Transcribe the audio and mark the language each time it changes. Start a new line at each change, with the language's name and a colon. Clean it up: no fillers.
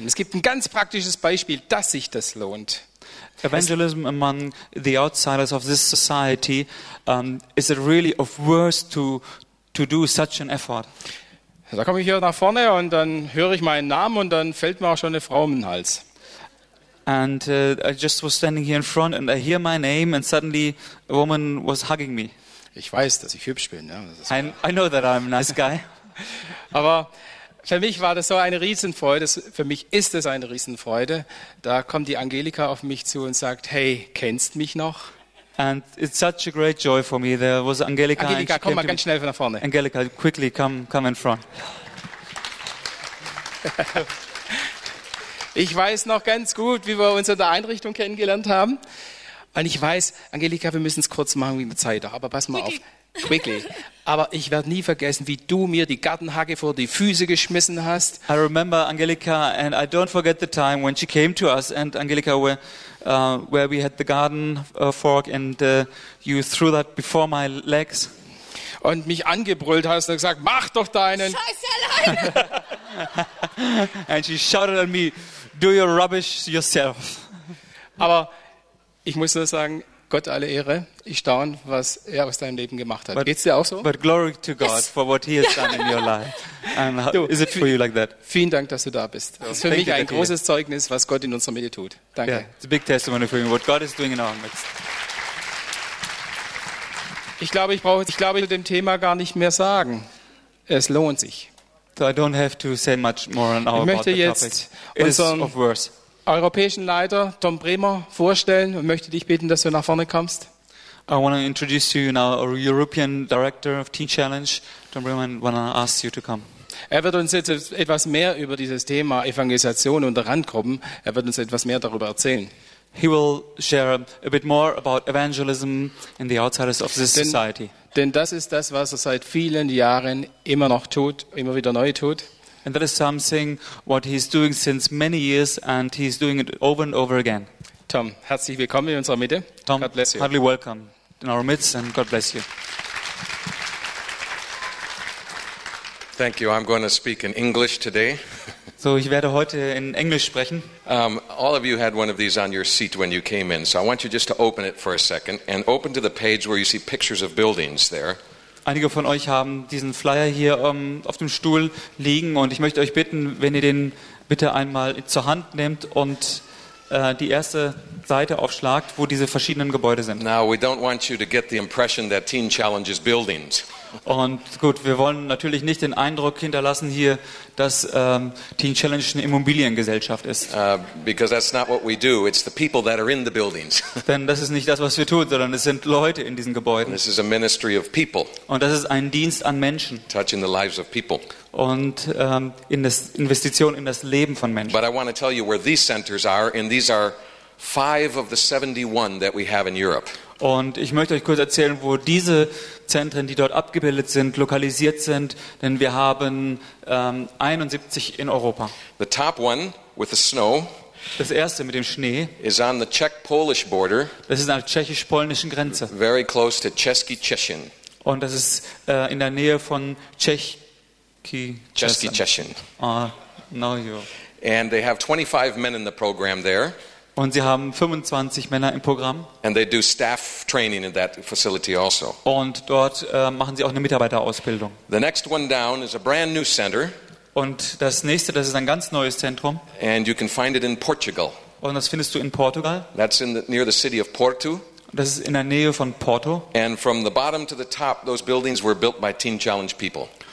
German: Es gibt ein ganz praktisches Beispiel, dass sich das lohnt.
English: Evangelism among the outsiders of this society, is it really of worth to do such an effort?
German: Da komme ich hier nach vorne und dann höre ich meinen Namen und dann fällt mir auch schon eine Frau um den Hals.
English: And I just was standing here in front and I hear my name and suddenly a woman was hugging me.
German: Ich weiß, dass ich hübsch bin. Ja. Das ist
English: I know that I'm a nice guy.
German: Aber für mich war das so eine Riesenfreude, für mich ist es eine Riesenfreude. Da kommt die Angelika auf mich zu und sagt, hey, kennst mich noch?
English: And it's such a great joy for me. There was Angelika.
German: Angelika, komm mal ganz schnell nach vorne.
English: Angelika, quickly, come in front.
German: Ich weiß noch ganz gut, wie wir uns in der Einrichtung kennengelernt haben. Und ich weiß, Angelika, wir müssen es kurz machen, wie wir Zeit haben, aber pass mal auf.
English: Quickly.
German: Aber ich werde nie vergessen, wie du mir die Gartenhacke vor die Füße geschmissen hast.
English: I remember Angelika and I don't forget the time when she came to us and Angelika where we had the garden fork and you threw that before my legs.
German: Und mich angebrüllt hast und gesagt, mach doch deinen Scheiß alleine.
English: And she shouted at me, do your rubbish yourself.
German: Aber ich muss nur sagen, Gott alle Ehre. Ich staune, was er aus deinem Leben gemacht hat. Geht's dir auch so?
English: But glory to God for what he has done in your life. And how, is it for you like that?
German: Vielen Dank, dass du da bist. Das ist für mich ein großes Zeugnis, was Gott in unserer Mitte tut. Danke.
English: Yeah, it's a big testimony for you, what God is doing in our midst.
German: Ich glaube, ich will dem Thema gar nicht mehr sagen. Es lohnt sich.
English: So I don't have to say much more on our about the topic.
German: Ich möchte jetzt europäischen Leiter Tom Bremer vorstellen und möchte dich bitten, dass du nach vorne kommst.
English: I want to introduce you now our European Director of Teen Challenge, Tom Bremer, and want to ask you to come.
German: Er wird uns jetzt etwas mehr über dieses Thema Evangelisation und Randgruppen, er wird uns etwas mehr darüber erzählen.
English: He will share a bit more about evangelism in the outsiders of this society.
German: Denn das ist das, was er seit vielen Jahren immer noch tut, immer wieder neu tut.
English: And that is something what he's doing since many years and he's doing it over and over again.
German: Tom, herzlich willkommen in unserer Mitte.
English: Tom, God bless you. Heartily welcome in our midst and God bless you. Thank you. I'm going to speak in English today.
German: So ich werde heute in Englisch sprechen.
English: All of you had one of these on your seat when you came in. So I want you just to open it for a second and open to the page where you see pictures of buildings there.
German: Einige von euch haben diesen Flyer hier auf dem Stuhl liegen und ich möchte euch bitten, wenn ihr den bitte einmal zur Hand nehmt und die erste Seite aufschlagt, wo diese verschiedenen Gebäude sind.
English: Now we don't want you to get the impression that Teen Challenge is buildings.
German: Und gut, wir wollen natürlich nicht den Eindruck hinterlassen hier, dass Teen Challenge eine Immobiliengesellschaft ist.
English: Because that's not what we do. It's the people that are in the buildings.
German: Denn das ist nicht das, was wir tun, sondern es sind Leute in diesen Gebäuden.
English: This is a ministry of people.
German: Und das ist ein Dienst an Menschen.
English: Touching the lives of people.
German: Und in das Investition in das Leben von Menschen.
English: But I want to tell you where these centers are, and these are 5 of the 71 that we have in Europe.
German: Und ich möchte euch kurz erzählen, wo diese Zentren, die dort abgebildet sind, lokalisiert sind, denn wir haben 71 in Europa.
English: The top one with the snow.
German: Das erste mit dem Schnee.
English: Is on the Czech-Polish border.
German: Das ist an der tschechisch-polnischen Grenze.
English: Very close to Český Češin.
German: Und das ist in der Nähe von Český Češin. Český Češin.
English: No, you. And they have 25 men in the program there.
German: Und sie haben 25 Männer im Programm.
English: And they do staff training in that facility also.
German: Und dort machen sie auch eine Mitarbeiterausbildung.
English: The next one down is a brand new center.
German: Und das nächste, das ist ein ganz neues Zentrum.
English: And you can find it in Portugal.
German: Und das findest du in Portugal.
English: That's in the, near the city of Porto.
German: Das ist in der Nähe von Porto.
English: And from the bottom to the top, those buildings were built by Teen Challenge people.